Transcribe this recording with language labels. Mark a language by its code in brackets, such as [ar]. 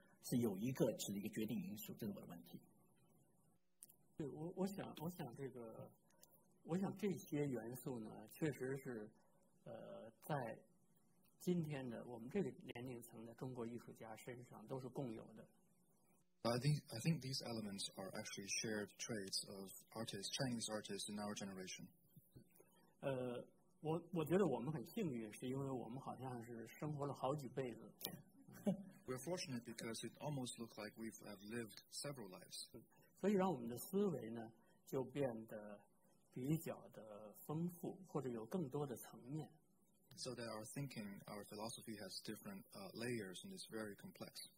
[zh] 是有一个是一个决定因素，这是我的问题。对，我想这些元素呢，确实是在今天的我们这个年龄层的中国艺术家身上都是共有的。 [en] I think these elements are actually shared traits of artists, Chinese artists in our generation. [zh] 我觉得我们很幸运，是因为我们好像是生活了好几辈子。 [en] We're fortunate because it almost looks like we've lived several lives. [zh] 所以让我们的思维呢，就变得比较的丰富，或者有更多的层面。So [en] that our thinking, our philosophy has different layers and is very complex.